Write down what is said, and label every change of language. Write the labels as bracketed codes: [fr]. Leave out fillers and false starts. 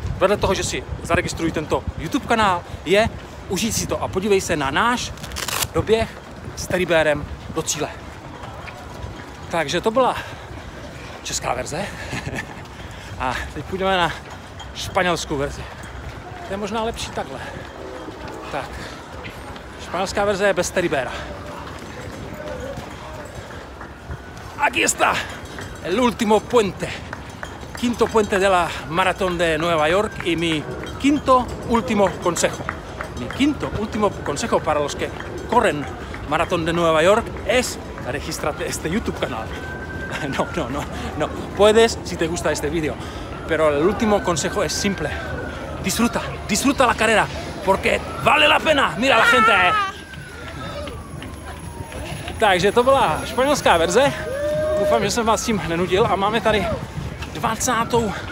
[cs] vedle toho, že si zaregistruj tento YouTube kanál, je užij si to a podívej se na náš doběh s Teddybearem do cíle. Takže to byla česká verze a teď půjdeme na španělskou verzi. To je možná lepší takhle. Tak, španělská verze je bez Teddybeara. [es] Aquí está el último puente. Quinto puente de la maratón de Nueva York y mi quinto último consejo. Mi quinto último consejo para los que corren maratón de Nueva York es regístrate este YouTube canal. No. Puedes si te gusta este vídeo. Pero el último consejo es simple. Disfruta la carrera porque vale la pena. Mira la gente. [cs] Takže to byla španělská verze. Doufám, že jsem vás tím nenudil a máme tady 21.